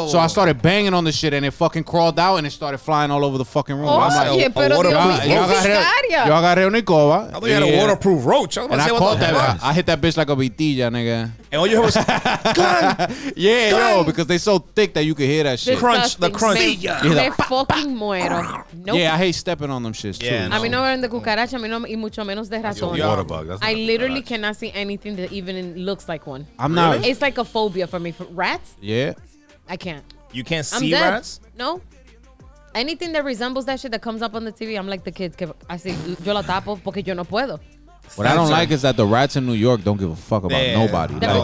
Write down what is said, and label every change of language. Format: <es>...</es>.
<en>So I started banging on the shit and it fucking crawled out and it started flying all over the fucking room. Oh, yeah, like, pero</en> <es>yo agarré una escoba.</es> <en>I thought you had a waterproof roach. And I caught that. I hit that bitch like a vitilla, nigga. And all you heard was, yeah, yo, because they so thick that you could hear that shit. Crunch, the crunch.</en> <es>Me fucking muero.</es> <en>Yeah, I hate stepping on them shits, too.</en> <es>A mí no me ven de cucaracha, a mí no, y mucho menos de ratón.</es> <en>I literally cannot see anything that even looks like one. I'm not. Really? It's like a phobia for me. Rats? Yeah. I can't. You can't see rats? No. Anything that resembles that shit that comes up on the TV, I'm like the kids. I see,</en> <es>yo la tapo porque yo no puedo.</es> <en>What I don't like is that the rats in New York don't give a fuck about nobody.</en>